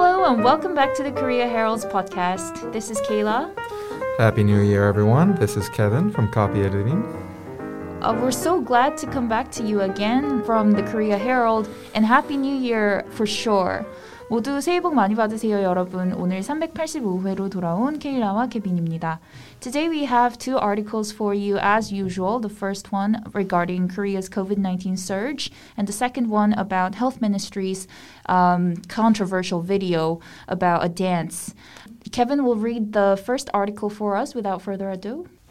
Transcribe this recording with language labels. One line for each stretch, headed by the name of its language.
English: and welcome back to the Korea Herald's podcast. This is Kayla. Happy New Year, everyone. This is Kevin from Copy Editing. We're so glad to come back to you again from the Korea Herald, and Happy New Year for sure.
Korean: 모두 새해 복 많이 받으세요, 여러분. 오늘 385회로 돌아온 케일라와 케빈입니다.
English: Today we have two articles for you as usual. The first one regarding Korea's COVID-19 surge, and the second one about Health Ministry's controversial video about a dance. Kevin will read the first article for us without further ado.